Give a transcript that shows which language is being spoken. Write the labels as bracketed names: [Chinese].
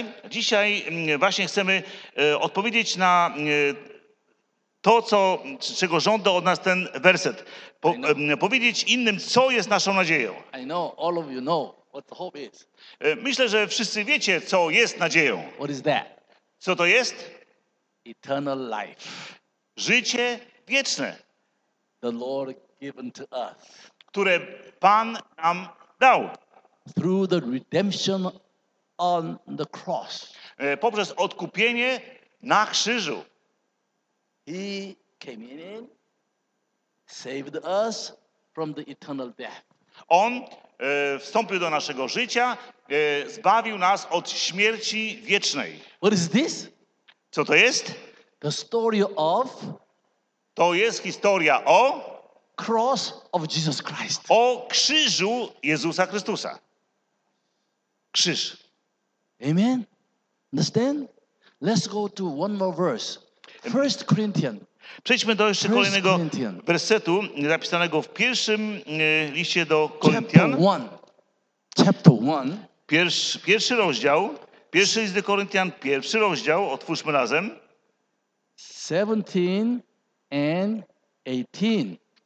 [Polish] Dzisiaj właśnie chcemy odpowiedzieć na to, czego żąda od nas ten werset. Powiedzieć innym, co jest naszą nadzieją. [English] I know, all of you know what the hope is. [Polish] Myślę, że wszyscy wiecie, co jest nadzieją. [English] What is that? [Polish] Co to jest? [English] Eternal life. [Polish] Życie wieczne. [English] The Lord given to us. [Polish] Które Pan nam dał. [English] Through the redemption on the cross. [Polish] Poprzez odkupienie na krzyżu. [English] He came in, saved us from the eternal death. [Polish] On wstąpił do naszego życia, zbawił nas od śmierci wiecznej. [English] What is this? [Polish] Co to jest? [English] The story of. [Polish] To jest historia o. [English] Cross of Jesus Christ. [Polish] O krzyżu Jezusa Chrystusa. Krzyż. [English] Amen. Understand? Let's go to one more verse. First Corinthians. [Polish] Przejdźmy do jeszcze [English] First [Polish] kolejnego [English] Corinthian. [Polish] Wersetu zapisanego w pierwszym liście do Koryntian. [English] Chapter one. [Polish] Pierwszy rozdział. Pierwszy list do Koryntian, pierwszy rozdział. Otwórzmy razem. [English] 17 and 18.